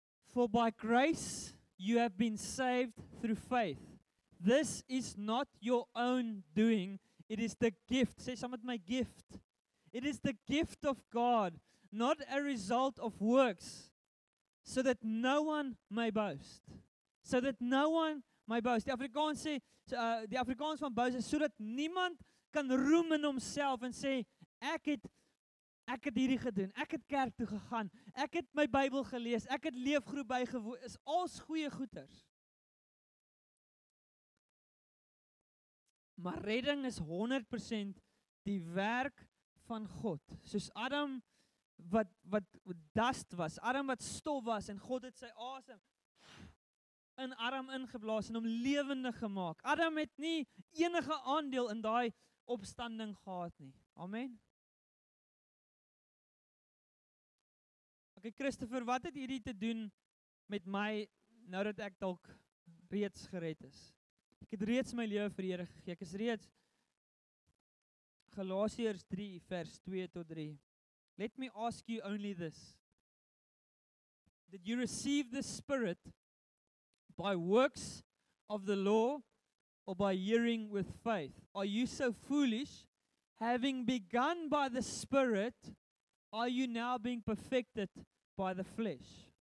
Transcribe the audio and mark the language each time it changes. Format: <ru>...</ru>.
<en>For by grace you have been saved through faith. This is not your own doing, it is the gift.</en> <af>Sê saam met my gift.</af> <en>It is the gift of God, not a result of works, so that no one may boast. So that no one may boast.</en> <af>Die Afrikaans van boast is so dat niemand kan roem in homself en sê, ek het hierdie gedoen, ek het kerk toe gegaan, ek het my Bybel gelees, ek het leefgroep bygewoon, is als goeie goeders. Maar redding is 100% die werk van God. Soos Adam wat dust was, adem wat stof was, en God het sy asem in Adam ingeblaas en hom lewendig gemaak. Adam het nie enige aandeel in daai opstanding gehad nie. Amen. Oké, okay, Christopher, wat het hierdie te doen met my, nou dat ek dalk reeds gered is? Ek het reeds my lewe vir die Here gegee. Ek is reeds Galasiërs 3 vers 2 tot 3.</af> <en>Let me ask you only this. Did you receive the Spirit by works of the law or by hearing with faith? Are you so foolish? Having begun by the Spirit, are you now being perfected by the flesh?</en>